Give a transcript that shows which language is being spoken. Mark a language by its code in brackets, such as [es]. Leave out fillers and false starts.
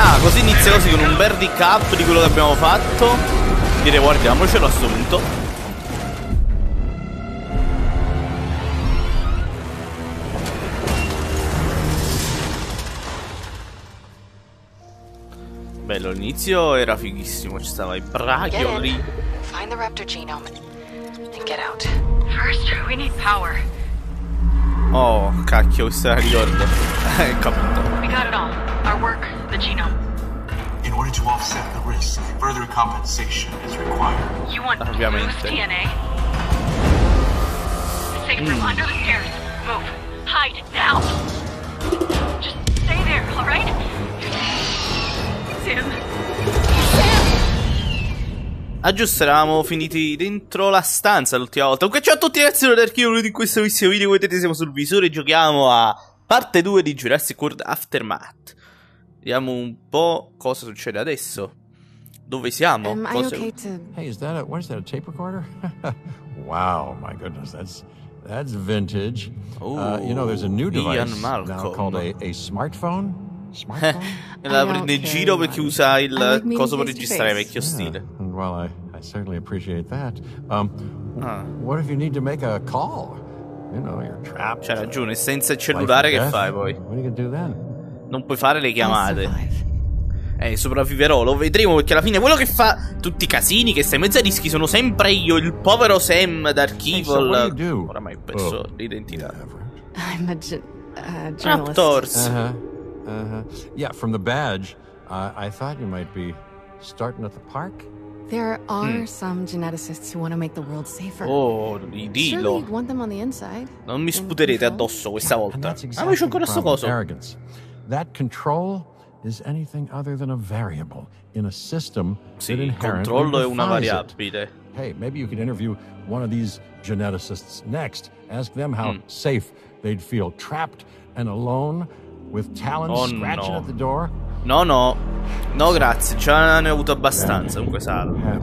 [it] se inizia così con un bel recap di quello che abbiamo fatto, dire guardiamocelo a sto punto. Bello, l'inizio era fighissimo, ci stava i braghioli. [en] Find the raptor genome and get out. First, we need power. [it] Oh, cacchio, questo era ricordo. [en] Capito. We got it all. Our work, the genome. In order to offset the risk, further compensation is required. You want DNA? Safe under the stairs. Move. Hide now. Just stay there, alright? [it] Ah giusto, eravamo finiti dentro la stanza l'ultima volta. Comunque ciao a tutti ragazzi, sono Dark Hero, in questo bellissimo video, come vedete siamo sul visore e giochiamo a parte 2 di Jurassic World Aftermath. Vediamo un po' cosa succede adesso. Dove siamo? [en] Hey, is that a, what is that, a tape recorder? Wow, my goodness, that's vintage. You know, there's a new device now called a smartphone. [it] La prende in giro perché usa il coso per registrare vecchio stile. [en] Well, I certainly appreciate that. What if you need to make a call? You know, you're trapped. [it] C'ha ragione, senza il cellulare che fai poi? [en] What are you gonna do then? [it] Non puoi fare le chiamate. Sopravviverò, lo vedremo, perché alla fine quello che fa tutti i casini, che sta in mezzo ai rischi, sono sempre io, il povero Sam Dark Evil. [en] Hey, so [it] oramai ho perso l'identità. [en] I'm a Raptors. Yeah, from the badge, I thought you might be starting at the park. There are some geneticists who want to make the world safer. Oh, idilo. Surely you'd want them on the inside. [it] Non mi sputerete addosso questa volta. Ah, ma c'è ancora sto coso. Arrogance. [en] That control is anything other than a variable in a system. [it] Sì, il controllo è una variabile. [en] Hey, maybe you could interview one of these geneticists next. Ask them how safe they'd feel trapped and alone. With talons scratching at the door? [it] No, no. No, grazie. Ce l'hanno avuto abbastanza. Comunque, salvo.